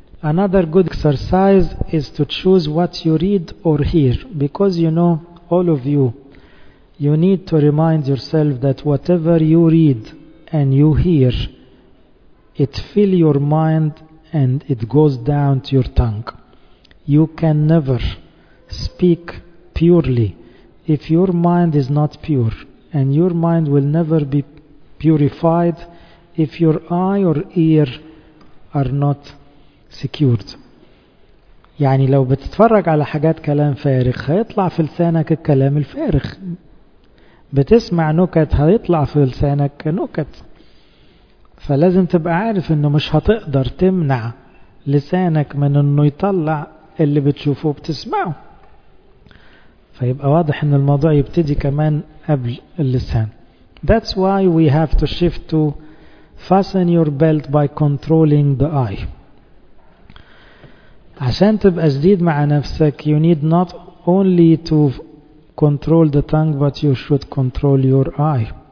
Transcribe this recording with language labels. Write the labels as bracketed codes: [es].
[en] Another good exercise is to choose what you read or hear, because you know, all of you need to remind yourself that whatever you read and you hear, it fills your mind and it goes down to your tongue. You can never speak purely if your mind is not pure, and your mind will never be purified if your eye or ear are not secured. [ar] يعني لو بتتفرج على حاجات كلام فارغ هيطلع في لسانك الكلام الفارغ, بتسمع نكت هيطلع في لسانك نكت. فلازم تبقى عارف انه مش هتقدر تمنع لسانك من انه يطلع اللي بتشوفه بتسمعه. فيبقى واضح ان الموضوع يبتدي كمان قبل اللسان. [en] That's why we have to shift to fasten your belt by controlling the eye. [ar] عشان تبقى جديد مع نفسك, [en] you need not only to control the tongue, but you should control your eye.